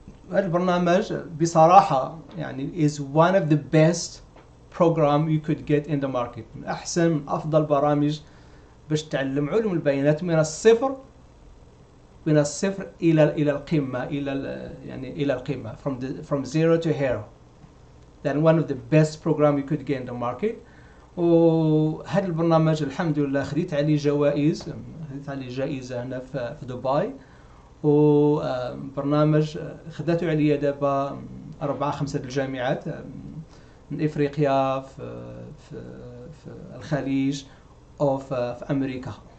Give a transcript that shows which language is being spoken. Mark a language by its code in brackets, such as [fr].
[ar] هذا البرنامج بصراحة يعني [en] is one of the best program you could get in the market، [ar] من أحسن من أفضل برامج باش تعلم علوم البيانات من الصفر، من الصفر إلى القمة، إلى القمة، [en] from zero to hero. Then one of the best program you could get in the market. [ar] وهذا البرنامج الحمد لله خديت عليه جوائز، خديت عليه جائزة هنا في دبي، وبرنامج خداته عليا دابا 4 5 الجامعات من إفريقيا، في الخليج، أو في أمريكا.